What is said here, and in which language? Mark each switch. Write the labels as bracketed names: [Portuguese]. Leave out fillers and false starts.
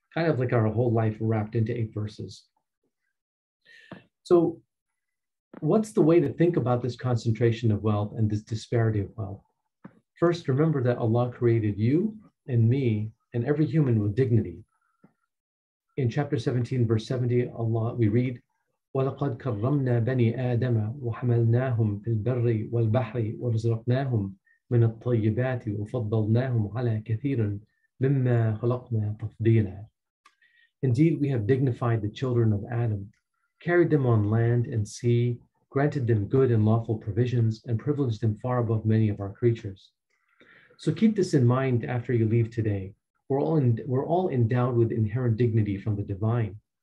[English] Kind of like our whole life wrapped into 8 verses. So what's the way to think about this concentration of wealth and this disparity of wealth? First, remember that Allah created you and me and every human with dignity. [Arabic] In chapter 17, verse 70, Allah, we read, وَلَقَدْ كَرَّمْنَا بَنِي آدَمَ وَحَمَلْنَاهُمْ فِي الْبَرِّ وَالْبَحْرِ وَرَزَقْنَاهُمْ مِنَ الطَّيِّبَاتِ وَفَضَّلْنَاهُمْ عَلَى كَثِيرٍ مِمَّا خَلَقْنَا تَفْضِيلًا. [English] Indeed, we have dignified the children of Adam, carried them on land and sea, granted them good and lawful provisions, and privileged them far above many of our creatures. So keep this in mind after you leave today. We're all endowed with inherent dignity from the divine.